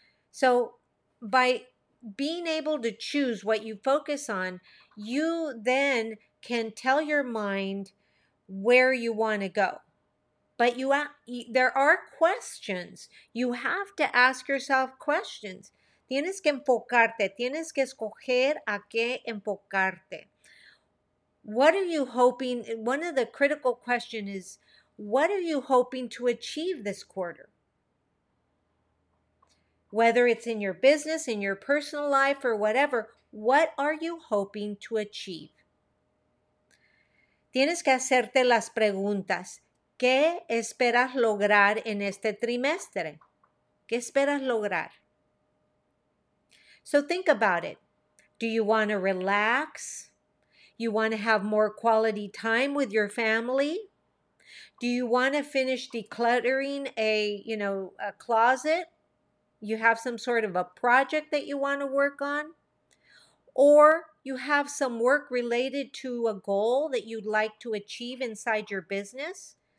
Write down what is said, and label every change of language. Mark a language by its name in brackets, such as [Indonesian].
[English] So by being able to choose what you focus on, you then can tell your mind where you want to go. But there are questions. You have to ask yourself questions. [Spanish] Tienes que enfocarte. Tienes que escoger a qué enfocarte. [English] What are you hoping? One of the critical questions is, what are you hoping to achieve this quarter? Whether it's in your business, in your personal life, or whatever, what are you hoping to achieve? [Spanish] Tienes que hacerte las preguntas. ¿Qué esperas lograr en este trimestre? ¿Qué esperas lograr? [English] So think about it. Do you want to relax? You want to have more quality time with your family? Do you want to finish decluttering a closet? You have some sort of a project that you want to work on? Or you have some work related to a goal that you'd like to achieve inside your business?